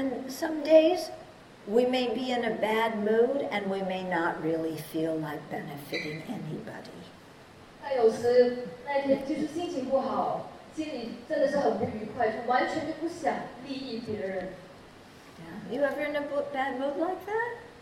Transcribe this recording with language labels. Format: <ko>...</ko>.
<en>some days we may be in a bad mood and we may not really feel like benefiting anybody.</en> <zh>那有时那天就是心情不好，心里真的是很不愉快，就完全就不想利益别人。</zh> <en>You ever in a bad mood like that?</en>